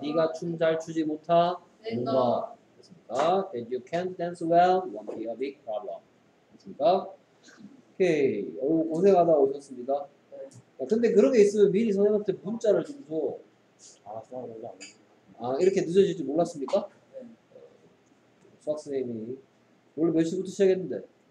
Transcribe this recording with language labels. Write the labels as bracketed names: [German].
[Korean] 네가 춤 잘 추지 못한 거 그렇습니까? [English] That you can't dance well won't be a big problem. [Korean] 그렇습니까? 오케이. 오, 고생하다 오셨습니다. 아, 근데 그런 게 있으면 미리 선생님한테 문자를 주고 아 이렇게 늦어질 줄 몰랐습니까? 수학 선생님이 원래 몇 시부터 시작했는데?